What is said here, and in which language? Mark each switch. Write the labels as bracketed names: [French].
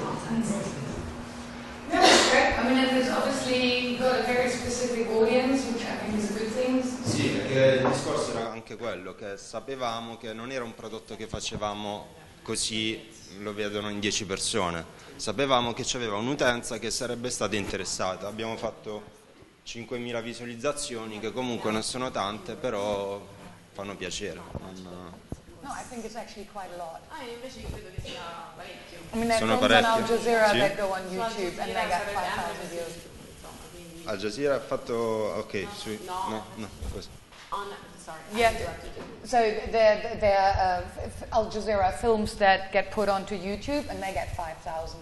[English] I mean, it has obviously got a very specific audience, which I think is a good thing. [Italian] Sì, perché il discorso era anche quello, che sapevamo che non era un prodotto che facevamo così lo vedono in 10 persone. Sapevamo che c'aveva un'utenza che sarebbe stata interessata. Abbiamo fatto 5.000 visualizzazioni, che comunque non sono tante, però... fanno piacere. [English] No, I think it's actually quite a lot. [Italian] Ah, invece credo che sia parecchio. [English] I mean, there's ones on Al Jazeera that go on YouTube and they got 5,000 views. [Italian] Al Jazeera ha fatto... ok, sui... No. Questo. [English] on, sorry, yeah. So they're Al Jazeera films that get put onto YouTube and they get 5,000.